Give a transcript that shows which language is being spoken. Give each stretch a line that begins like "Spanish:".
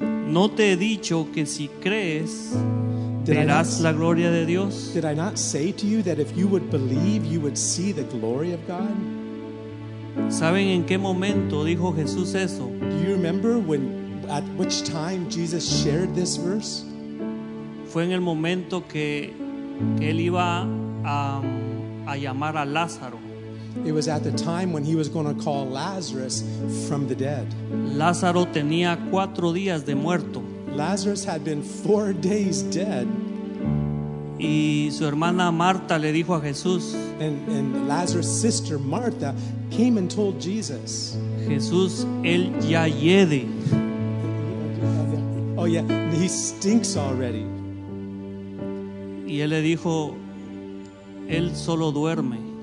Spanish: no te he dicho que si crees verás la gloria de Dios.
English: Did I not say to you that if you would believe you would see the glory of God?
Spanish: ¿Saben en qué momento dijo Jesús eso?
English: Do you remember when, at which time Jesus shared this verse?
Spanish: Fue en el momento que él iba a llamar a Lázaro.
English: It was at the time when he was going to call Lazarus from the dead.
Spanish: Lázaro tenía 4 días de muerto.
English: Lazarus had been 4 days dead.
Spanish: Y su hermana Marta le dijo a Jesús.
English: And Lazarus' sister Martha came and told Jesus.
Spanish: Jesús, él ya hiede.
English: Oh yeah, he stinks already.
Spanish: Y él le dijo, él solo duerme.